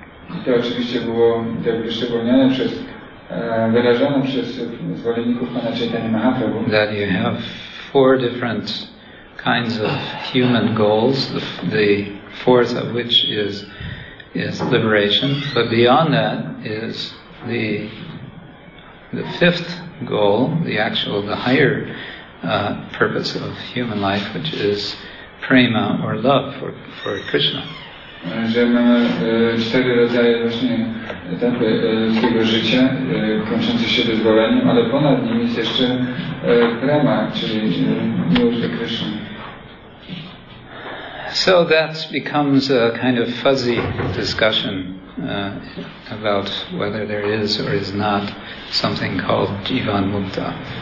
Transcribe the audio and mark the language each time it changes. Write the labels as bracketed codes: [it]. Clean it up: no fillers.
[pl] I to oczywiście było wyszczególnione przez wyrażone przez zwolenników Pana Chaitanya Mahaprabhu. [en] That you have four different kinds of human goals, the fourth of which is liberation, but beyond that is the fifth goal, the higher purpose of human life, which is prema or love for Krishna. [pl] Że mamy cztery rodzaje właśnie etapy swojego życia, kończące się wyzwoleniem, ale ponad nim jest jeszcze prema, czyli miłość do Krishna. [en] So that becomes a kind of fuzzy discussion about whether there is or is not something called Jivan Mukta.